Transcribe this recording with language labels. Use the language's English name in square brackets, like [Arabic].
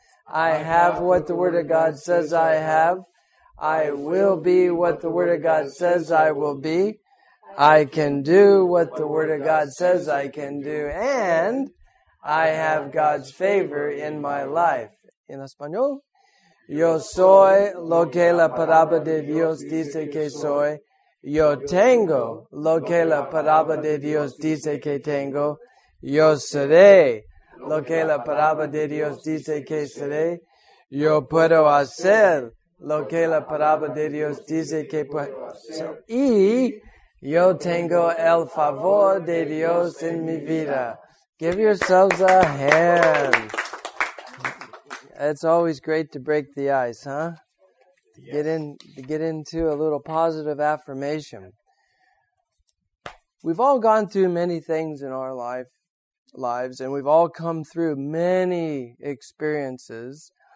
[English] I have what the Word of God says I have. I will be what the Word of God says I will be. I can do what the Word of God says I can do. And I have God's favor in my life. [Spanish] En español. Yo soy lo que la palabra de Dios dice que soy. Yo tengo lo que la palabra de Dios dice que tengo. Yo seré lo que la palabra de Dios dice que seré. Yo puedo hacer lo que la palabra de Dios dice que puedo hacer. Y yo tengo el favor de Dios en mi vida. [English] Give yourselves a hand. It's always great to break the ice, huh? To get into a little positive affirmation. We've all gone through many things in our lives, and we've all come through many experiences.